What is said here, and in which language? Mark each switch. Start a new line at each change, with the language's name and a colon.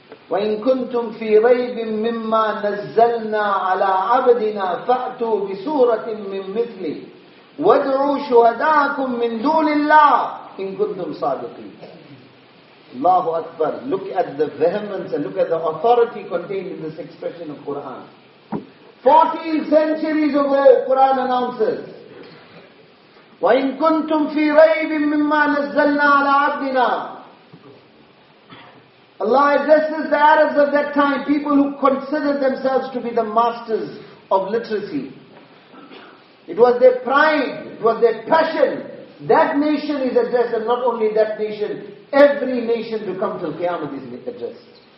Arabic: وَإِن كُنْتُمْ فِي رَيْبٍ مِمَّا نَزَّلْنَا عَلَىٰ عَبْدِنَا فَأْتُوا بِسُورَةٍ مِّن مِثْلِهِ وَادْعُوا شُهَدَاءَكُم مِّن دُونِ اللَّهِ إِن كُنْتُمْ صَادِقِينَ. Allahu Akbar.
English: Look at the vehemence and look at the authority contained in this expression of Quran. 14 centuries ago, Quran announces,
Arabic: وَإِن كُنْتُمْ فِي رَيْبٍ مِمَّا نَزَّلْنَا عَلَىٰ عَبْدِنَا.
English: Allah addresses the Arabs of that time, people who considered themselves to be the masters of literacy. It was their pride, it was their passion. That nation is addressed, and not only that nation, every nation to come till Qiyamah is addressed.